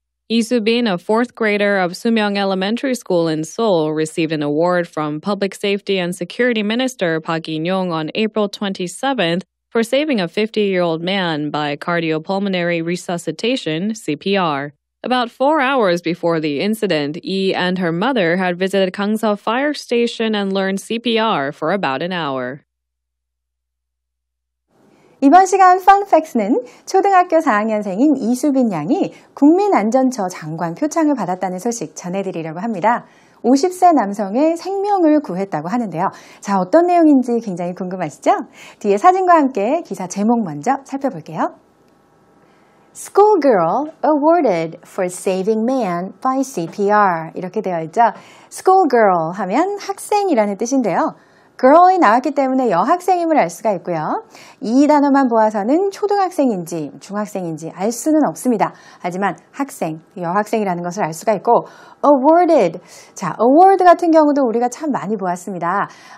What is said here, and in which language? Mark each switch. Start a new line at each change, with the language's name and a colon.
English: 이수빈, a fourth grader of Sumyeong Elementary School in Seoul, received an award from Public Safety and Security Minister Park In-young on April 27th for saving a 50-year-old man by cardiopulmonary resuscitation, CPR. About 4 hours before the incident, Yi and her mother had visited Gangseo Fire Station and learned CPR for about an hour.
Korean: 이번 시간 Fun Facts는 초등학교 4학년생인 이수빈 양이 국민안전처 장관 표창을 받았다는 소식 전해드리려고 합니다. 50세 남성의 생명을 구했다고 하는데요. 자, 어떤 내용인지 굉장히 궁금하시죠? 뒤에 사진과 함께 기사 제목 먼저 살펴볼게요.
English: Schoolgirl awarded for saving man by CPR
Korean: 이렇게 되어 있죠. Schoolgirl 하면 학생이라는 뜻인데요. girl이 나왔기 때문에 여학생임을 알 수가 있고요. 이 단어만 보아서는 초등학생인지 중학생인지 알 수는 없습니다. 하지만 학생, 여학생이라는 것을 알 수가 있고 awarded, 자, award 같은 경우도 우리가 참 많이 보았습니다.